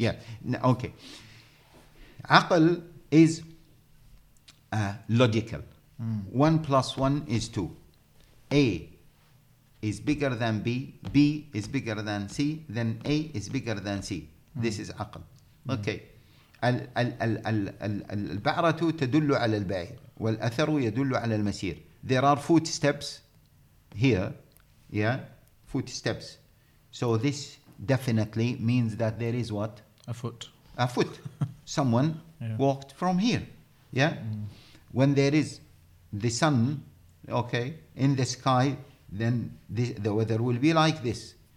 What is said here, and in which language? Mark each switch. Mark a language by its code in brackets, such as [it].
[en] Yeah. Okay. Aql is logical. Mm. 1 + 1 is 2. A is bigger than B, B is bigger than C, then A is bigger than C. This is aql. Okay. [ar] البعرة تدل على البعير والأثر يدل على المسير. [en] There are footsteps here. Yeah, footsteps. So this definitely means that there is what? A foot. A foot. Someone yeah. walked from here. Yeah. Mm. When there is the sun, okay, in the sky, then the weather will be like this.